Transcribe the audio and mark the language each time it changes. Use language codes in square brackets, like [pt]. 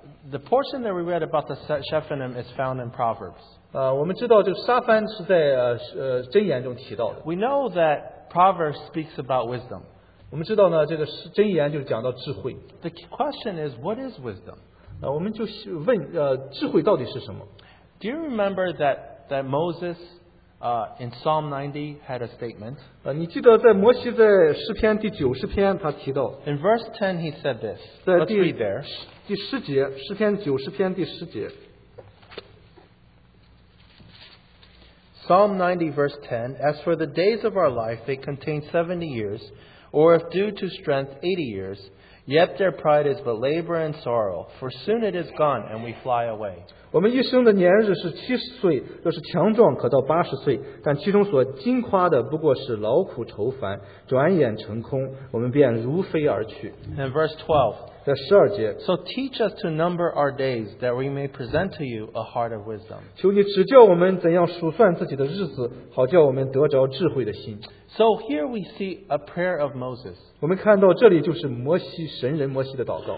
[en] the portion that we read about the Shephanim is found in Proverbs. [zh] 我们知道这个沙帆是在箴言中提到的。 [en] We know that Proverbs speaks about wisdom. [zh] 我们知道呢，这个箴言就讲到智慧。 [en] The question is, what is wisdom? [zh] 我们就问，智慧到底是什么？ [en] Do you remember that Moses, in Psalm 90 had a statement? [zh] 你记得在摩西在诗篇第90篇他提到。 [en] In verse 10 he said this. Let's read there. [zh] 第十节，诗篇90篇第十节。 [en] Psalm 90, verse 10, as for the days of our life, they contain 70 years, or if due to strength, 80 years, yet their pride is but labor and sorrow, for soon it is gone, and we fly away. [zh] 我们一生的年日是70岁,若是强壮可到80岁,但其中所经夸的不过是劳苦愁烦,转眼成空,我们便如飞而去。 [en] And verse 12, [zh] 在12节, [en] so teach us to number our days, that we may present to you a heart of wisdom. [zh] 求你指教我们怎样数算自己的日子,好叫我们得着智慧的心。 [en] So here we see a prayer of Moses. [zh] 我们看到这里就是摩西,神人摩西的祷告。